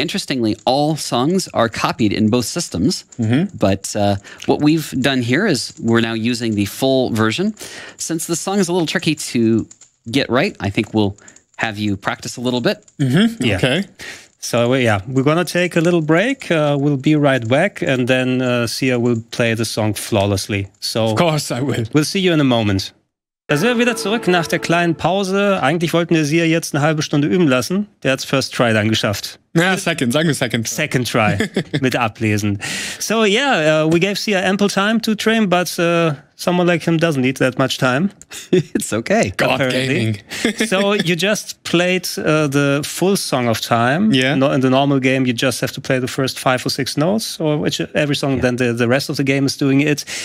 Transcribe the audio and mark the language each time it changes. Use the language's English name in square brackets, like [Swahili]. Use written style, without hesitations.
[English] Interestingly, all songs are copied in both systems, but what we've done here is we're now using the full version. Since the song is a little tricky to get right, I think we'll have you practice a little bit. Mm-hmm. Yeah. Okay. So, we're going to take a little break. We'll be right back, and then Sia will play the song flawlessly. So, of course I will. We'll see you in a moment. [German] Da sind wir wieder zurück nach der kleinen Pause. Eigentlich wollten wir Sia jetzt eine halbe Stunde üben lassen. Der hat's [English] first try [German] dann geschafft. Ja, second. Sagen wir second. [English] Second try. [German] Mit ablesen. [English] So, yeah, we gave Sia ample time to train, but someone like him doesn't need that much time. It's okay. God apparently. Gaming. So you just played the full Song of Time. Yeah. In the normal game, you just have to play the first five or six notes, or which every song, then the rest of the game is doing it.